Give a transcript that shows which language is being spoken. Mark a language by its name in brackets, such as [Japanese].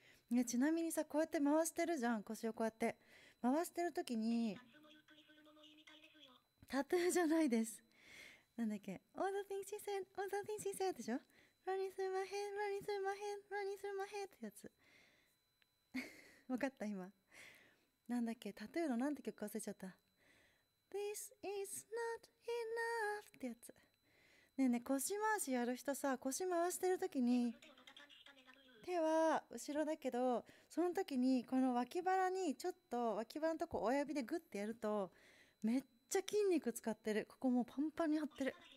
[Japanese] いや、ちなみにさ、こうやって回してるじゃん、腰をこうやって回してる時に、タトゥーじゃないです、なんだっけ、 [English] All the things she said, [Japanese] all the things she said でしょ、 [English] Running through my head, [Japanese] running through my head, running through my head ってやつ分かった、今なんだっけ、タトゥーのなんて曲忘れちゃった。 [English] This is not enough [Japanese] ってやつね。ね、腰回しやる人さ、腰回してる時に手は後ろだけど、その時にこの脇腹にちょっと、脇腹のとこ親指でグッてやると、めっちゃ筋肉使ってる、ここもうパンパンに張ってる。